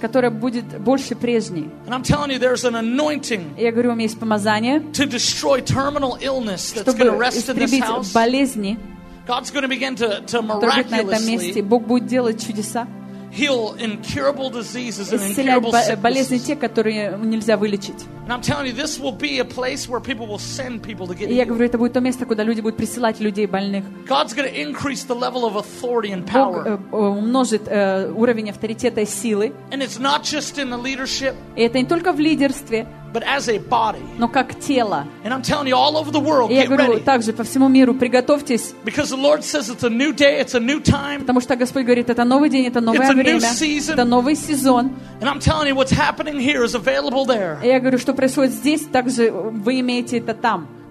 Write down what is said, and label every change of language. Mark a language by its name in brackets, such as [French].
[Russian] Которое будет больше прежней. [English] And I'm telling you, there's an anointing. [Russian] Я говорю вам, есть помазание. [English] To destroy terminal illness that's going to rest in this house. [Russian] Чтобы истребить болезни. [English] God's going to begin to miraculously. [Russian] Бог будет делать чудеса. [English] Heal incurable diseases and incurable sicknesses. [Russian] Исцелять болезни те, которые нельзя вылечить. [English] And I'm telling you, this will be a place where people will send people to get healed. [Russian] Я говорю, это будет то место, куда люди будут присылать людей больных. [English] God's going to increase the level of authority and power. [Russian] Бог умножит уровень авторитета и силы. [English] And it's not just in the leadership. [Russian] И это не только в лидерстве. [English] But as a body. [Russian] Но как тело. [English] And I'm telling you, all over the world, [Russian] я говорю, [English] get ready. [Russian] Также по всему миру, приготовьтесь. [English] Because the Lord says it's a new day, it's a new time. [Russian] Потому что Господь говорит, это новый день, это новое [English] it's [Russian] время. [English] A new season. [Russian] Это новый сезон. [English] And I'm telling you, what's happening here is available there. [Russian] И я говорю, что происходит здесь, также вы имеете это там.